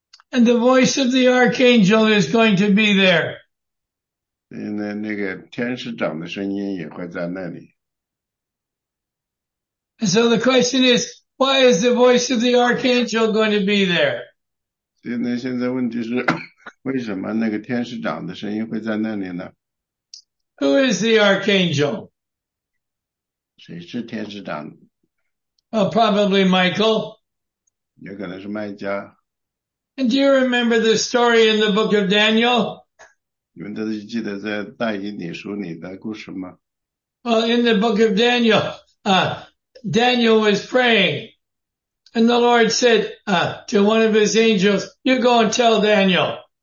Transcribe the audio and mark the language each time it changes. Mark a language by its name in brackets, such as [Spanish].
[English] And the voice of the archangel is going to be there. And so the question is, why is the voice of the archangel going to be there? [Chinese] 现在问题是,为什么那个天使长的声音会在那里呢? [English] Who is the archangel? [Chinese] 谁是天使长? [English] Oh, probably Michael. [Chinese] 有可能是麦加。 [English] And do you remember the story in the book of Daniel? [Chinese] 你们都记得在大以理书里的故事吗? [English] Well, in the book of Daniel, Daniel was praying. And the Lord said to one of his angels, you go and tell Daniel.